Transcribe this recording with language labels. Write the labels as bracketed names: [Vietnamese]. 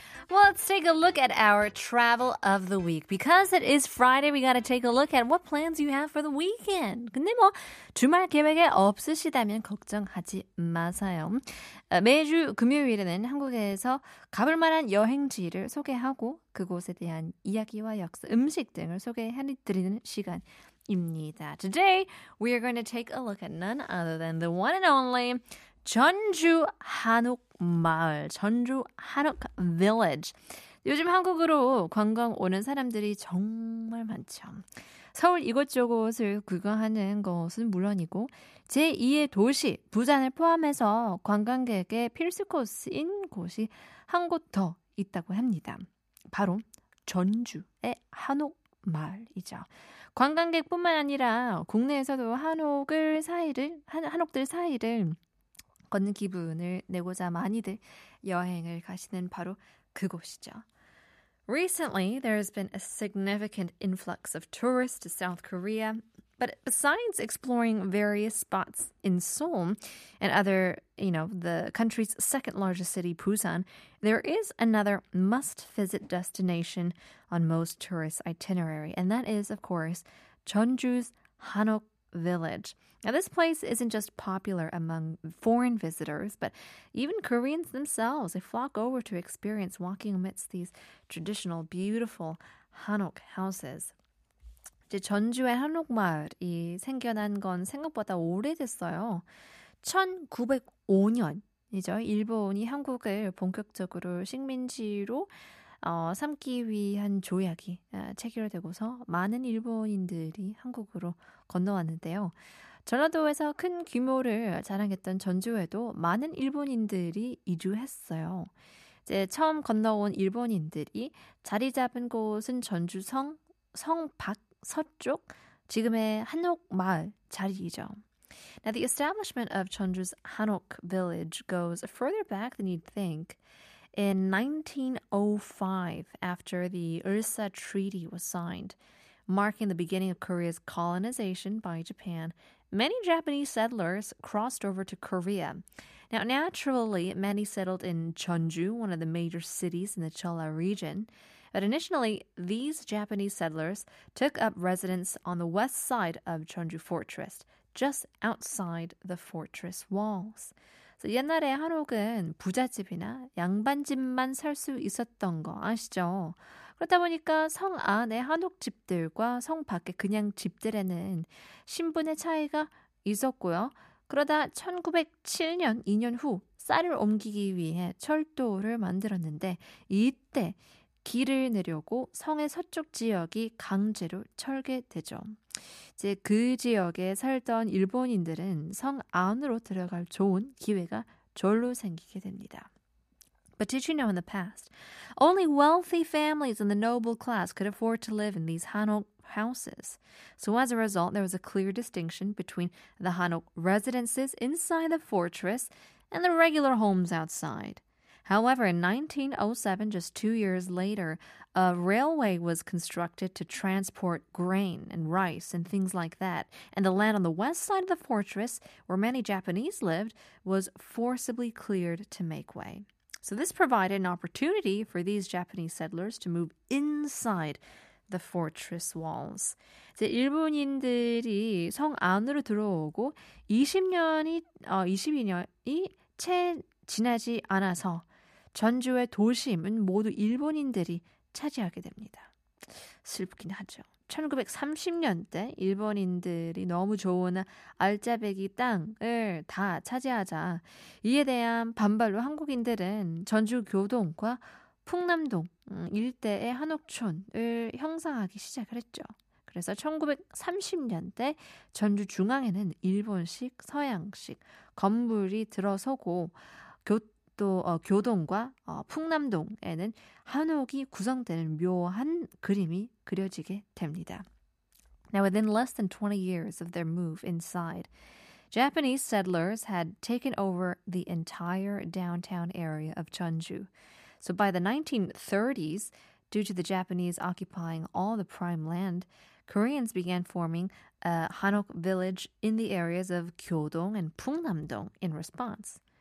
[English] Well, let's take a look at our travel of the week. Because it is Friday, we got to take a look at what plans you have for the weekend. [Korean] 근데 뭐 주말 계획에 없으시다면 걱정하지 마세요. 매주 금요일에는 한국에서 가볼 만한 여행지를 소개하고 그곳에 대한 이야기와 역사, 음식 등을 소개해드리는 시간입니다. [English] Today, we are going to take a look at none other than the one and only 전주 한옥 마을, 전주 한옥 village. [Korean] 요즘 한국으로 관광 오는 사람들이 정말 많죠. 서울 이곳저곳을 구경하는 것은 물론이고 제2의 도시 부산을 포함해서 관광객의 필수 코스인 곳이 한 곳 더 있다고 합니다. 바로 전주의 한옥 마을이죠. 관광객뿐만 아니라 국내에서도 한옥을 사이를 한옥들 사이를 걷는 기분을 내고자 많이들 여행을 가시는 바로 그곳이죠. [English] Recently, there has been a significant influx of tourists to South Korea. But besides exploring various spots in Seoul and other, you know, the country's second largest city, Busan, there is another must-visit destination on most tourists' itinerary. And that is, of course, 전주's 한옥 village. Now, this place isn't just popular among foreign visitors, but even Koreans themselves, they flock over to experience walking amidst these traditional, beautiful Hanok houses. [Korean] 이제 전주의 한옥 마을이 생겨난 건 생각보다 오래됐어요. 1905년이죠. 일본이 한국을 본격적으로 식민지로 삼기 위한 조약이 체결되고서 많은 일본인들이 한국으로 건너왔는데요. 전라도에서 큰 규모를 자랑했던 전주에도 많은 일본인들이 이주했어요. 이제 처음 건너온 일본인들이 자리 잡은 곳은 전주성 성 밖 서쪽 지금의 한옥 마을 자리이죠. [English] Now the establishment of Jeonju's Hanok village goes further back than you'd think. In 1905, after the Ulsa Treaty was signed, marking the beginning of Korea's colonization by Japan, many Japanese settlers crossed over to Korea. Now, naturally, many settled in Jeonju, one of the major cities in the Chola region. But initially, these Japanese settlers took up residence on the west side of Jeonju Fortress, just outside the fortress walls. [Korean] 옛날에 한옥은 부잣집이나 양반집만 살 수 있었던 거 아시죠? 그렇다 보니까 성 안의 한옥집들과 성 밖의 그냥 집들에는 신분의 차이가 있었고요. 그러다 1907년, 2년 후 쌀을 옮기기 위해 철도를 만들었는데 이때 길을 내려고 성의 서쪽 지역이 강제로 철거되죠. 이제 그 지역에 살던 일본인들은 성 안으로 들어갈 좋은 기회가 절로 생기게 됩니다. [English] But did you know in the past, only wealthy families in the noble class could afford to live in these Hanok houses. So as a result, there was a clear distinction between the Hanok residences inside the fortress and the regular homes outside. However, in 1907, just 2 years later, a railway was constructed to transport grain and rice and things like that. And the land on the west side of the fortress, where many Japanese lived, was forcibly cleared to make way. So this provided an opportunity for these Japanese settlers to move inside the fortress walls. [Korean] 이제 일본인들이 성 안으로 들어오고 22년이 채 지나지 않아서 전주의 도심은 모두 일본인들이 차지하게 됩니다. 슬프긴 하죠. 1930년대 일본인들이 너무 좋은 알짜배기 땅을 다 차지하자 이에 대한 반발로 한국인들은 전주 교동과 풍남동 일대의 한옥촌을 형성하기 시작을 했죠. 그래서 1930년대 전주 중앙에는 일본식, 서양식 건물이 들어서고 교동과 풍남동에는 한옥이 구성되는 묘한 그림이 그려지게 됩니다. [English] Now, within less than 20 years of their move inside, Japanese settlers had taken over the entire downtown area of Jeonju. So by the 1930s, Due to the Japanese occupying all the prime land, Koreans began forming a Hanok village in the areas of Kyodong and Pungnamdong in response.